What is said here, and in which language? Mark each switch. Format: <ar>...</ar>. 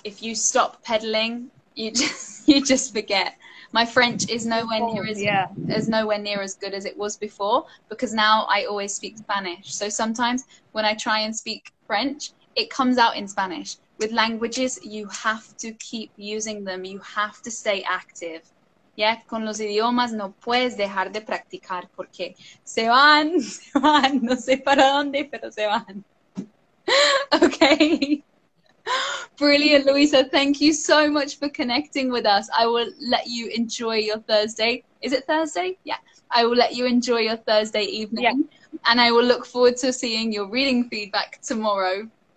<en>If you stop pedaling, you just forget. My French is nowhere near is nowhere near as good as it was before, because now I always speak Spanish. So sometimes when I try and speak French, it comes out in Spanish. With languages, you have to keep using them. You have to stay active.</en> <es>Yeah, con los idiomas no puedes dejar de practicar porque se van, no sé para dónde, pero se van.</es> <en>Okay. Brilliant, Luisa. Thank you so much for connecting with us. I will let you enjoy your Thursday. Is it Thursday? Yeah. I will let you enjoy your Thursday evening. Yeah. And I will look forward to seeing your reading feedback tomorrow.</en>